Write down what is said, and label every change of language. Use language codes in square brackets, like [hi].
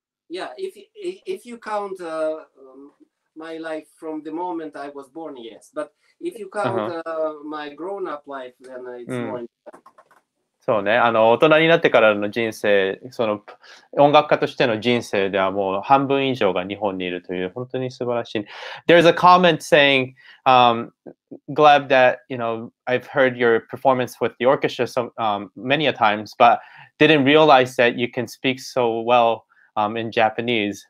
[en] Yeah, if you count my life from the moment I was born, yes. But if you count my grown-up life, then it's more than half. [ja] そうね。大人になってからの人生、その音楽家としての人生ではもう半分以上が日本にいるという、本当に素晴らしい。 [en] There's a comment saying, glad that, you know, I've heard your performance with the orchestra many a times, butDidn't realize that you can speak so well in Japanese.